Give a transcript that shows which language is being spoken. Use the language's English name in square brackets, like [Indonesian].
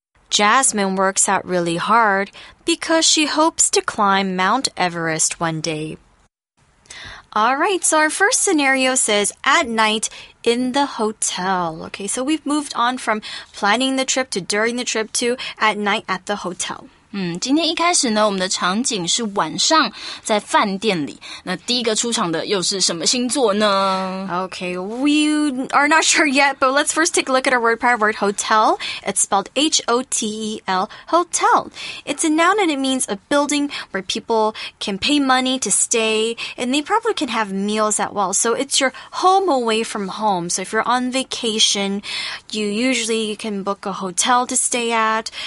[English] Jasmine works out really hard because she hopes to climb Mount Everest one day. All right, so our first scenario says at night in the hotel. Okay, so we've moved on from planning the trip to during the trip to at night at the hotel. [Chinese] 今天一开始呢，我们的场景是晚上在饭店里。那第一个出场的又是什么星座呢 [English] ？Okay, we are not sure yet, but let's first take a look at our word pair word hotel. It's spelled H-O-T-E-L, hotel. It's a noun and it means a building where people can pay money to stay, and they probably can have meals as well. So it's your home away from home. So if you're on vacation, you usually can book a hotel to stay at.